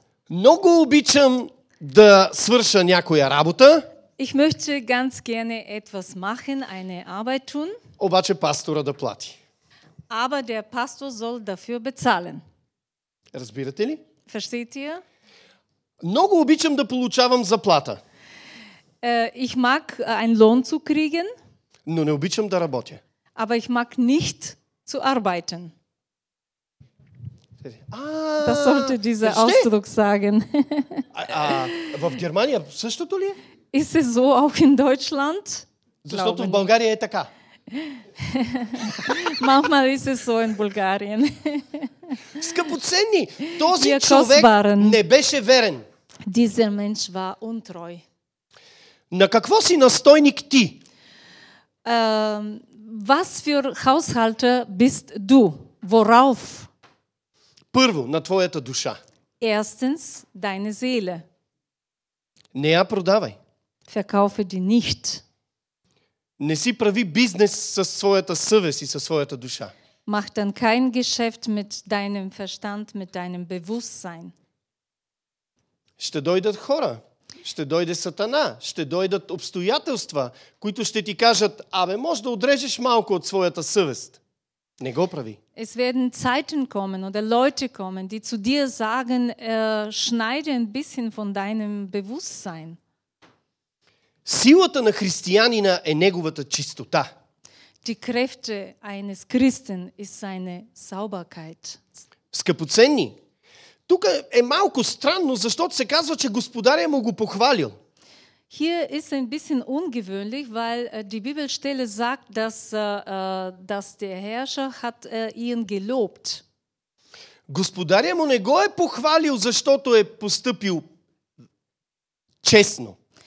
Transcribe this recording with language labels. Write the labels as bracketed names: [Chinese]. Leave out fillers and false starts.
[Bulgarian] Много обичам да свърша някоя работа. [German] Ich möchte ganz gerne etwas machen, eine Arbeit tun. [Bulgarian] Обаче пастора да плати. [German] Aber der Pastor soll dafür bezahlen. [Bulgarian] Разбирате ли? [German] Versteht ihr? [Bulgarian] Много обичам да получавам заплата. [German] Ich mag einen Lohn zu kriegen. [Bulgarian] Но не обичам да работя. [German] Aber ich mag nicht zu arbeiten. Das sollte dieser Ausdruck sagen. [Bulgarian] В Германия същото ли е? [German] Ist es so auch in Deutschland? [Bulgarian] Защото в България е така. [German] Manchmal ist es so in Bulgarien. [Bulgarian] Скъпоценни, този човек не беше верен. [German] Dieser Mensch war untreu. [Bulgarian] На какво си настойник ти? [German] Was für Haushalter bist du? Worauf? [Bulgarian] Първо, на твоята душа. [German] Erstens, deine Seele. [Bulgarian] Не я продавай. [German] Verkaufe die nicht. [Bulgarian] Не си прави бизнес със своята съвест и със своята душа. [German] Mach dann kein Geschäft mit deinem Verstand, mit deinem Bewusstsein. [Bulgarian] Ще дойдат хора. Ще дойде Сатана, ще дойдат обстоятелства, които ще ти кажат, абе, може да отрежеш малко от своята съвест. Не го прави. [German] Es werden Zeiten kommen oder Leute kommen, die zu dir sagen, schneide ein bisschen von deinem Bewusstsein. [Bulgarian] Силата на християнина е неговата чистота. [German] Die Kräfte eines Christen ist seine Sauberkeit. [Bulgarian] Скъпоценни! Тук е малко странно, защото се казва, че господаря му го похвалил. [German] Hier ist ein bisschen ungewöhnlich, weil die Bibelstelle sagt, dass der Herrscher hat ihn gelobt. [Bulgarian] Господаря му не го е похвалил, защото е постъпил честно.